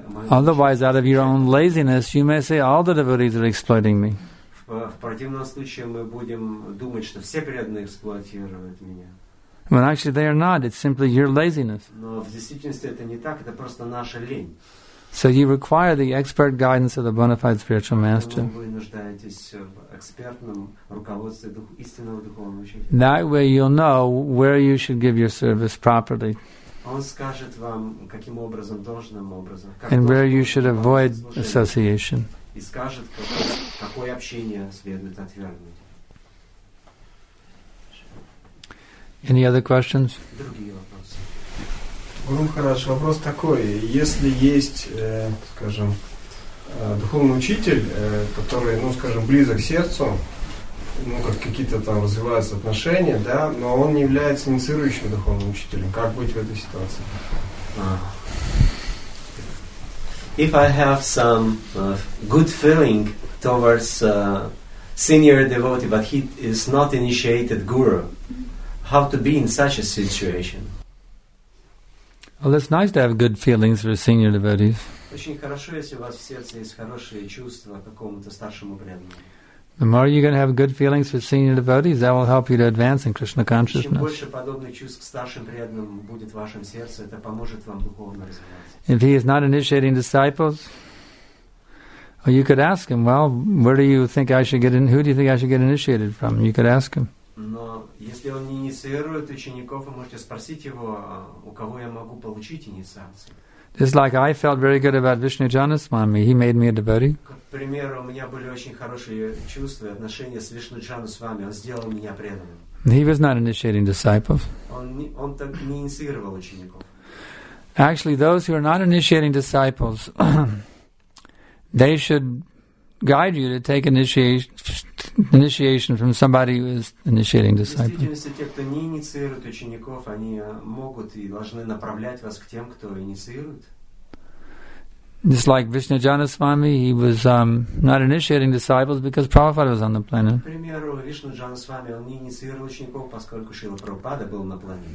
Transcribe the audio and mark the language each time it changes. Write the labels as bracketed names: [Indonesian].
[English] Otherwise, out of your own laziness, you may say, all the devotees are exploiting me. [Russian] В противном случае мы будем думать, что все преданные эксплуатируют меня. [English] When actually they are not, it's simply your laziness. [Russian] Но в действительности это не так, это просто наша лень. [English] So you require the expert guidance of the bona fide spiritual master. [Russian] Вы нуждаетесь в экспертном руководстве истинного духовного учителя. [English] That way you'll know where you should give your service properly. [Russian] Он скажет вам, каким образом, должным образом. [English] And where you should avoid association. [Russian] И скажет, какое общение следует отвергнуть. [English] Any other questions? [Russian] Другие вопросы. Ну хорошо, вопрос такой. Если есть, скажем, духовный учитель, который, ну скажем, близок сердцу, ну как какие-то там развиваются отношения, да, но он не является инициирующим духовным учителем, как быть в этой ситуации? [English] If I have some good feeling towards a senior devotee, but he is not initiated guru, how to be in such a situation? Well, it's nice to have good feelings for senior devotees. [Russian] Очень хорошо, если у вас в сердце есть хорошие чувства к какому-то старшему преданному. [English] The more you're going to have good feelings for senior devotees, that will help you to advance in Krishna consciousness. [Russian] Чем больше подобных чувств к старшим преданным будет в вашем сердце, это поможет вам духовно развиваться. [English] If he is not initiating disciples, well, you could ask him, well, where do you think I should get in? Who do you think I should get initiated from? You could ask him. [Russian] Но если он не инициирует учеников, вы можете спросить его, у кого я могу получить инициацию. [English] Just like I felt very good about Vishnu Janaswami, he made me a devotee. [Russian] К примеру, у меня были очень хорошие чувства и отношения с Вишну Джанасвами. Он сделал меня преданным. [English] He was not initiating disciples. [Russian] Он так не инициировал учеников. [English] Actually, those who are not initiating disciples, they should guide you to take initiation from somebody who is initiating disciples. [Russian] В действительности, те, кто не инициирует учеников, они могут и должны направлять вас к тем, кто инициирует. [English] Just like Vishnu Janaswami, he was not initiating disciples because Prabhupada was on the planet. [Russian] К примеру, Вишну Джанасвами, он не инициировал учеников, поскольку Шрила Прабхупада был на планете.